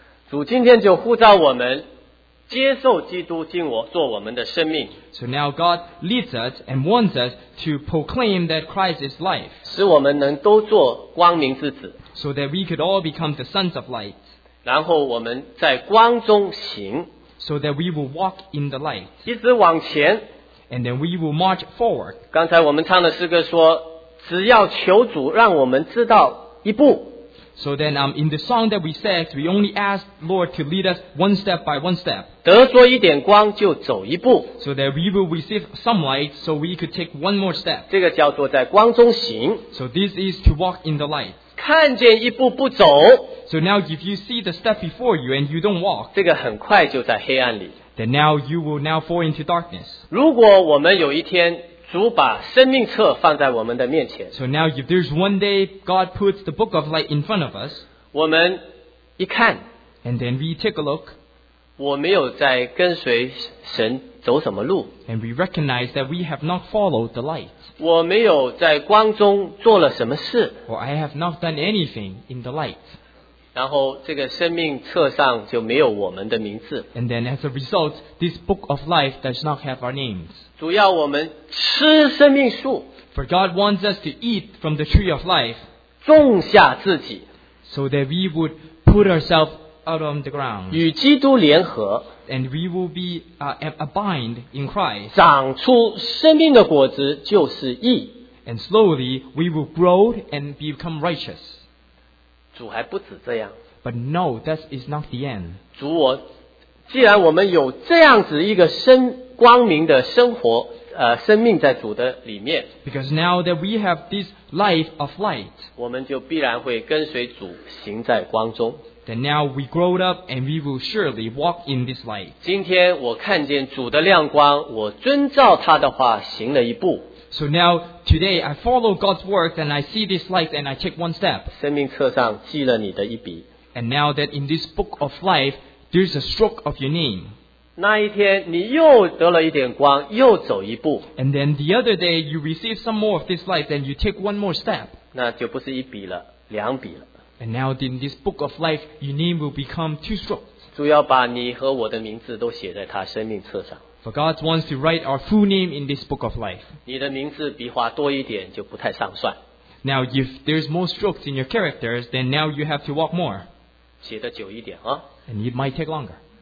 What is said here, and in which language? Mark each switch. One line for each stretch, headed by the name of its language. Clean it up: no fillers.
Chinese: 主今天就呼召我们, 接受基督进我做我们的生命,
English: so now God leads us and wants us to proclaim that Christ is life.
Chinese: 使我们能都做光明之子,
English: so that we could all become the sons of light.
Chinese: 然后我们在光中行,
English: so that we will walk in the light.
Chinese: 一直往前,
English: and then we will march forward.
Chinese: 刚才我们唱的诗歌说, 只要求主让我们知道一步,
English: so then in the song that we said, we only asked Lord to lead us one step by one step.
Chinese: 得说一点光就走一步,
English: so that we will receive some light so we could take one more step.
Chinese: 这个叫做在光中行,
English: so this is to walk in the light.
Chinese: 看见一步不走,
English: so now if you see the step before you and you don't walk,
Chinese: 这个很快就在黑暗里,
English: then now you will now fall into darkness.
Chinese: 如果我们有一天, 主把生命册放在我们的面前,
English: so now if there's one day God puts the book of light in front of us,
Chinese: 我们一看,
English: and then we take a look,
Chinese: 我没有在跟随神走什么路,
English: and we recognize that we have not followed the light,
Chinese: 我没有在光中做了什么事,
English: or I have not done anything in the light,
Chinese: 然后这个生命册上就没有我们的名字,
English: and then as a result, this book of life does not have our names.
Chinese: 主要我们吃生命树,
English: for God wants us to eat from the tree of life,
Chinese: 种下自己,
English: so that we would put ourselves out on the ground,
Chinese: 与基督联合,
English: and we will be abide in Christ,
Chinese: 长出生命的果子, 就是义,
English: and slowly we will grow and become righteous.
Chinese: 主还不止这样,
English: but no, that is not the end.
Chinese: 主我, 既然我们有这样子一个生, 光明的生活, 生命在主的里面,
English: because now that we have this life of light,
Chinese: 我们就必然会跟随主行在光中,
English: that now we grow up and we will surely walk in this light.
Chinese: 今天我看见主的亮光，我遵照他的话行了一步。
English: So now, today, I follow God's word and I see this light and I take one step.
Chinese: 生命册上记了你的一笔。
English: And now that in this book of life, there's a stroke of your name.
Chinese: 那一天你又得了一点光，又走一步。
English: And then the other day you receive some more of this light, then you take one more step.
Chinese: 那就不是一笔了，两笔了。
English: And now in this book of life, your name will become two strokes.
Chinese: 主要把你和我的名字都写在他生命册上。
English: For God wants to write our full name in this book of life.
Chinese: 你的名字笔画多一点就不太上算。
English: Now if there's more strokes in your characters, then now you have to walk more.
Chinese: 写得久一点啊。
English: And it might take longer.